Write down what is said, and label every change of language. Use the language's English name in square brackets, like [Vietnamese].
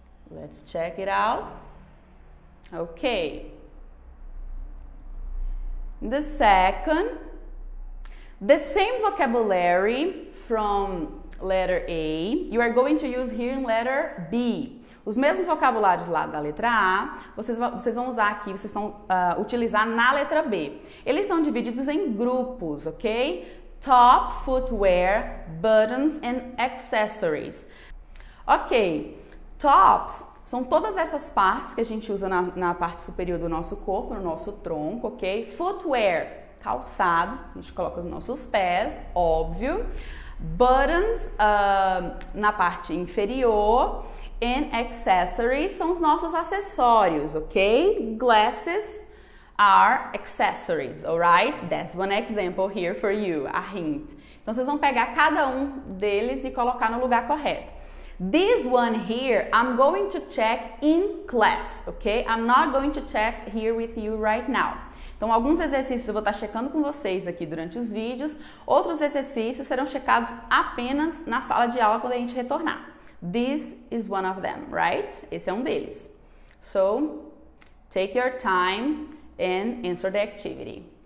[English] Let's check it out. Okay. The second. The same vocabulary from letter A, you are going to use here in letter B. [Portuguese] Os mesmos vocabulários lá da letra A, vocês vão usar aqui, vocês vão utilizar na letra B. Eles são divididos em grupos, ok? [English] Top, footwear, buttons and accessories. [Portuguese] Ok, tops são todas essas partes que a gente usa na parte superior do nosso corpo, no nosso tronco, ok? Footwear, calçado, a gente coloca nos nossos pés, óbvio. Buttons, na parte inferior. [English] And accessories [Portuguese] são os nossos acessórios, ok? [English] Glasses are accessories, alright? That's one example here for you, a hint. [Portuguese] Então, vocês vão pegar cada um deles e colocar no lugar correto. [English] This one here, I'm going to check in class, ok? I'm not going to check here with you right now. [Portuguese] Então, alguns exercícios eu vou estar checando com vocês aqui durante os vídeos. Outros exercícios serão checados apenas na sala de aula quando a gente retornar. [English] This is one of them, right? [Portuguese] Esse é um deles. [English] So, take your time and answer the activity.